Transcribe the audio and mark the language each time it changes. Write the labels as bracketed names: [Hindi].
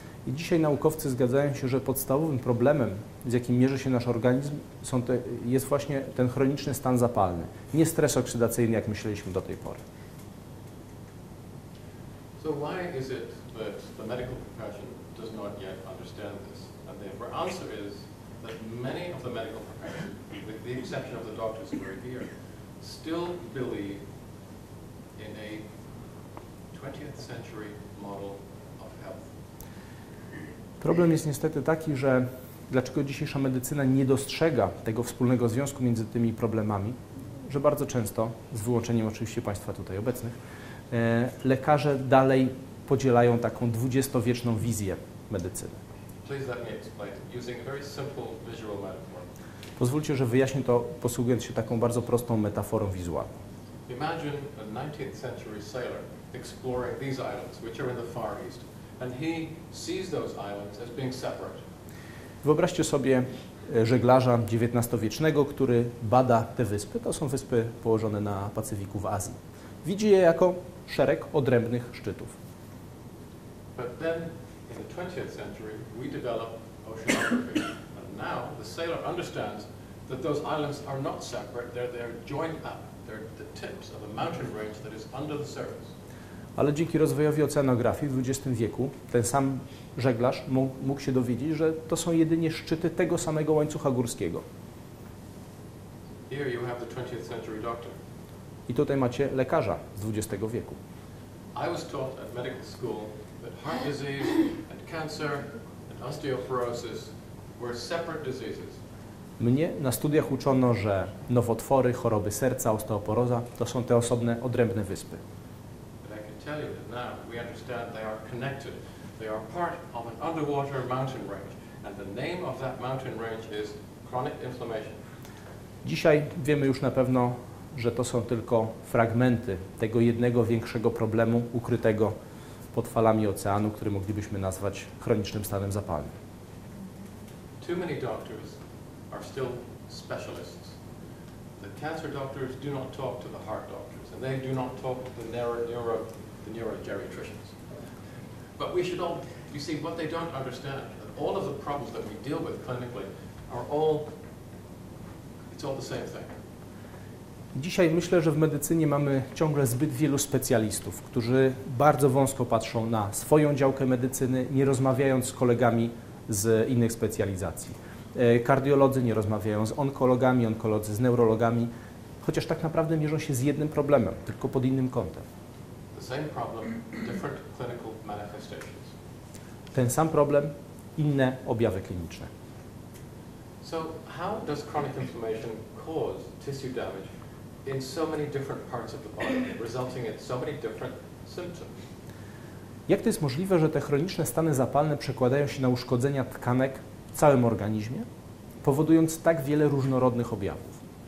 [Polish] I dzisiaj naukowcy zgadzają się, że podstawowym problemem, z jakim mierzy się nasz organizm, jest właśnie ten chroniczny stan zapalny. Nie stres oksydacyjny, jak myśleliśmy do tej pory. [English] So why is it that the medical profession does not yet understand this? And the answer is that many of the medical profession, with the exception of the doctors who are here, still believe in a 20th century model of health. [Polish] Problem jest niestety taki, że dlaczego dzisiejsza medycyna nie dostrzega tego wspólnego związku między tymi problemami, że bardzo często, z wyłączeniem oczywiście Państwa tutaj obecnych, lekarze dalej podzielają taką dwudziestowieczną wizję medycyny. [English] Please let me explain using a very simple visual metaphor. [Polish] Pozwólcie, że wyjaśnię to posługując się taką bardzo prostą metaforą wizualną. [English] Imagine a 19th century sailor exploring these islands, which are in the Far East. And he sees those islands as being separate. [Polish] Wyobraźcie sobie żeglarza XIX-wiecznego, który bada te wyspy. To są wyspy położone na Pacyfiku w Azji. Widzi je jako szereg odrębnych szczytów. [English] But then in the 20th century we develop oceanography. And now the sailor understands that those islands are not separate, they're joined up. They're the tips of a mountain range that is under the surface. [Polish] Ale dzięki rozwojowi oceanografii w XX wieku ten sam żeglarz mógł się dowiedzieć, że to są jedynie szczyty tego samego łańcucha górskiego. [English] Here you have the 20th century doctor. [Polish] I tutaj macie lekarza z XX wieku. [English] I was taught at medical school that heart disease and cancer and osteoporosis were separate diseases. [Polish] Mnie na studiach uczono, że nowotwory, choroby serca, osteoporoza to są te osobne, odrębne wyspy. [English] Tell you that now we understand they are connected. They are part of an underwater mountain range, and the name of that mountain range is chronic inflammation. [Polish] Dzisiaj wiemy już na pewno, że to są tylko fragmenty tego jednego większego problemu ukrytego pod falami oceanu, który moglibyśmy nazwać chronicznym stanem zapalnym. [English] Too many doctors are still specialists. The cancer doctors do not talk to the heart doctors, and they do not talk to the neurogeriatricians. But we should all, you see, what they don't understand, that all of the problems that we deal with clinically are all, it's all the same thing. [Polish] Dzisiaj myślę, że w medycynie mamy ciągle zbyt wielu specjalistów, którzy bardzo wąsko patrzą na swoją działkę medycyny, nie rozmawiając z kolegami z innych specjalizacji. Kardiolodzy nie rozmawiają z onkologami, onkolodzy z neurologami, chociaż tak naprawdę mierzą się z jednym problemem, tylko pod innym kątem. [English] Same problem, different clinical manifestations. [Polish] Ten sam problem, inne objawy kliniczne. [English] So how does chronic inflammation cause tissue damage in so many different parts of the body, resulting in so many different symptoms? [Polish] Jak to jest możliwe, że te chroniczne stany zapalne przekładają się na uszkodzenia tkanek w całym organizmie, powodując tak wiele różnorodnych objawów?